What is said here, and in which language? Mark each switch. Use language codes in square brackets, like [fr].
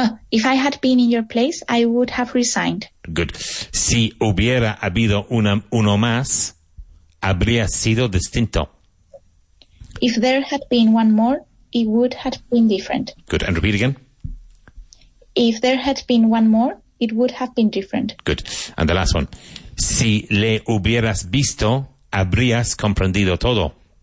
[en] If I had been in your place, I would have resigned. good. [es] Si hubiera habido uno más, habría sido distinto. [en] If there had been one more, it would have been different. Good. And repeat again. If there had been one more, it would have been different. Good. And the last one. [es] Si le hubieras visto, habrías comprendido todo.